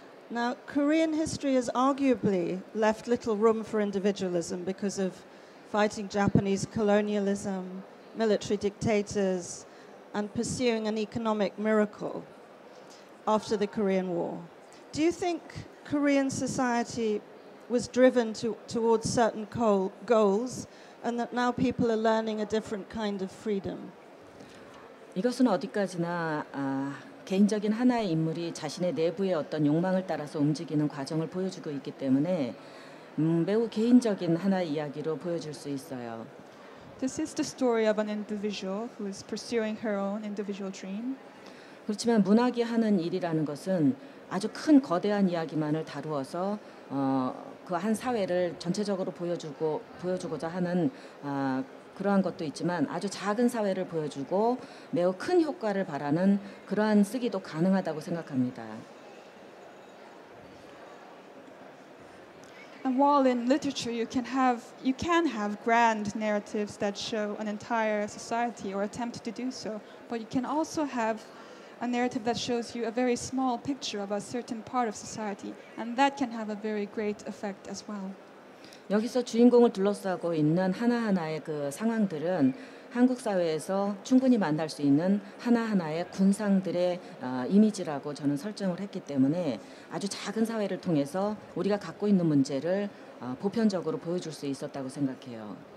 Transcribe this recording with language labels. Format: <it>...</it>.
<en>Now, Korean history has arguably left little room for individualism because of fighting Japanese colonialism, military dictators, and pursuing an economic miracle after the Korean War. Do you think Korean society was driven towards certain goals, and that now people are learning a different kind of freedom?</en> <ko>이것은 어디까지나 개인적인 하나의 인물이 자신의 내부의 어떤 욕망을 따라서 움직이는 과정을 보여주고 있기 때문에 매우 개인적인 하나의 이야기로 보여줄 수 있어요.</ko> <en>This is the story of an individual who is pursuing her own individual dream.</en> <ko>그렇지만 문학이 하는 일이라는 것은 아주 큰 거대한 이야기만을 다루어서 그 한 사회를 전체적으로 보여주고자 하는 그러한 것도 있지만 아주 작은 사회를 보여주고 매우 큰 효과를 바라는 그러한 쓰기도 가능하다고 생각합니다.</ko> <en>And while in literature you can have grand narratives that show an entire society or attempt to do so, but you can also have a narrative that shows you a very small picture of a certain part of society, and that can have a very great effect as well.</en> <ko>여기서 주인공을 둘러싸고 있는 하나하나의 그 상황들은 한국 사회에서 충분히 만날 수 있는 하나하나의 군상들의 이미지라고 저는 설정을 했기 때문에 아주 작은 사회를 통해서 우리가 갖고 있는 문제를 보편적으로 보여줄 수 있었다고 생각해요.</ko>